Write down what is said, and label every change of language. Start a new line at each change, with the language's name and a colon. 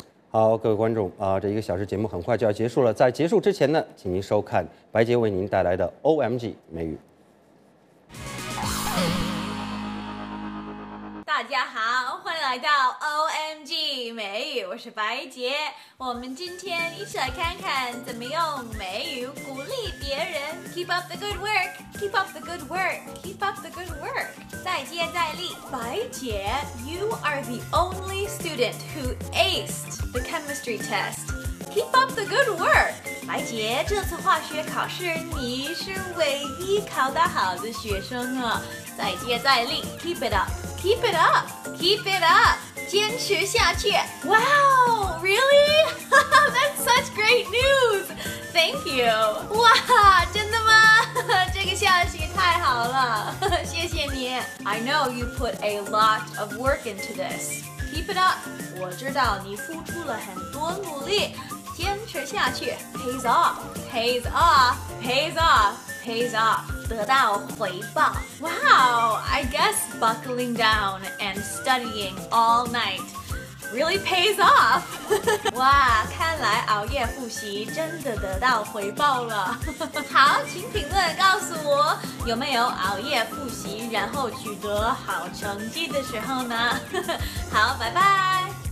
Chinese: 好，各位观众啊，这一个小时节目很快就要结束了，在结束之前呢，请您收看白洁为您带来的 OMG 美语。大家好，欢迎来到 OMG 美语，我是白洁。我们今天一起来看看怎么用美语鼓励别人。
English: Keep up the good work, keep up the good work, keep up the good work.
Chinese: 再接再厉，
English: 白洁 ，You are the only student who aced the chemistry test. Keep up the good work.
Chinese: 白洁，这次化学考试你是唯一考得好的学生啊！再接再厉
English: ，Keep it up. Keep it up, keep it up,
Chinese: 坚持下去。
English: Wow, really? That's such great news. Thank you.
Chinese: 哇，真的吗？这个消息太好了，谢谢你。
English: I know you put a lot of work into this. Keep it up.
Chinese: 我知道你付出了很多努力，坚持下去。
English: Pays off, pays off, pays off. Pays off,
Chinese: 得到回报。
English: Wow, I guess buckling down and studying all night. really pays off.
Chinese: 哇，看来熬夜复习真的得到回报了。好，请评论告诉我，有没有熬夜复习然后取得好成绩的时候呢？好，拜拜。